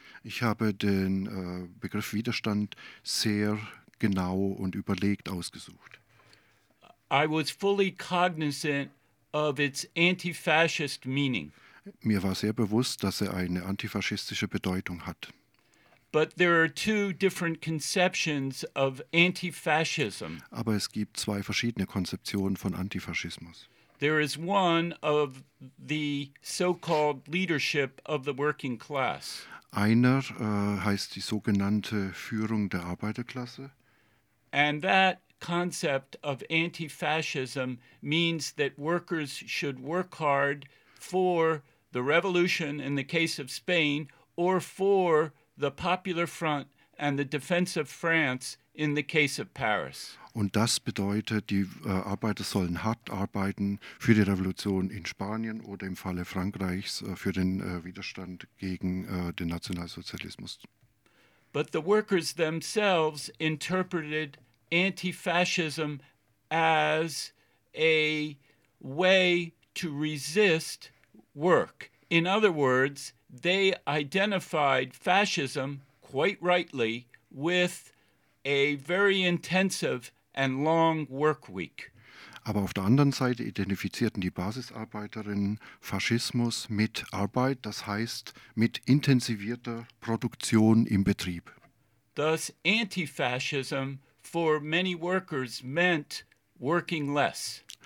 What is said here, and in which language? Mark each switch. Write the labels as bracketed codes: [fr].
[de] Ich habe den Begriff Widerstand sehr genau und überlegt ausgesucht. [en] I was fully cognizant of its anti-fascist meaning. [de] Mir war sehr bewusst, dass er eine antifaschistische Bedeutung hat. [en] But there are two different conceptions of anti-fascism. [de] Aber es gibt zwei verschiedene Konzeptionen von Antifaschismus. [en] There is one of the so-called leadership of the working class. [de] Einer heißt die sogenannte Führung der Arbeiterklasse. [en] And that concept of anti-fascism means that workers should work hard for the revolution in the case of Spain or for the Popular Front and the defense of France in the case of Paris. [de] Und das bedeutet, die Arbeiter sollen hart arbeiten für die Revolution in Spanien oder im Falle Frankreichs für den Widerstand gegen den Nationalsozialismus. [en] But the workers themselves interpreted anti-fascism as a way to resist work. In other words, they identified fascism, quite rightly, with a very intensive and long work week. [de] Aber auf der anderen Seite identifizierten die Basisarbeiterinnen Faschismus mit Arbeit, das heißt mit intensivierter Produktion im Betrieb. [en] Thus, anti-fascism for many workers meant working less.